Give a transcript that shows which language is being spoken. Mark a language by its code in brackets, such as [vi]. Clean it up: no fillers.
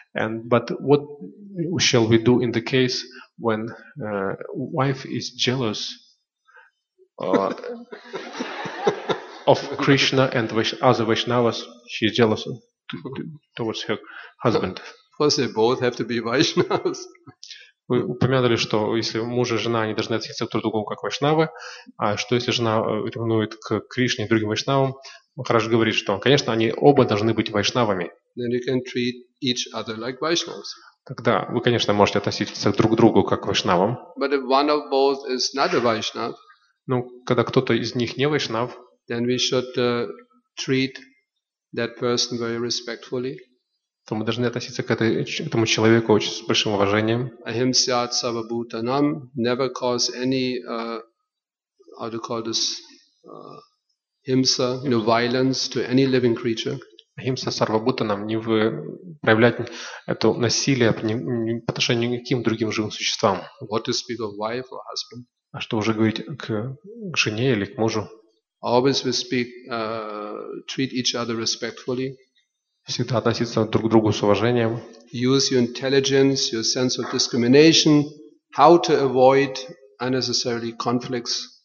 [en] But what shall we do in the case when wife is jealous of Krishna and other Vaishnavas? She is jealous towards her husband. Of course, they both have to be Vaishnavas. [ru] Вы упомянули, что если муж и жена, они должны относиться друг к другу как вайшнавы, а что если жена ревнует к Кришне и другим вайшнавам, Махарадж говорит, что, конечно, они оба должны быть вайшнавами. [en] Then you can treat each other like Vaishnavas. [ru] Тогда вы, конечно, можете относиться друг к другу как к вайшнавам. [en] But if one of both is not a Vaishnav, [ru] но когда кто-то из них не вайшнав, [en] then we should treat that person very respectfully. [ru] То мы должны относиться к этому человеку очень с большим уважением. [sa] Ahimsa sarva bhutanam, [en] never cause any how to call this himsa, you know, violence to any living creature. [sa] Ahimsa sarva bhutanam, [ru] не проявлять это насилие по отношению к никаким другим живым существам. [en] What to speak of wife or husband? [ru] А что уже говорить к жене или к мужу? [en] Always we speak treat each other respectfully. [ru] Всегда относиться друг к другу с уважением. [en] Use your intelligence, your sense of discrimination, how to avoid unnecessary conflicts.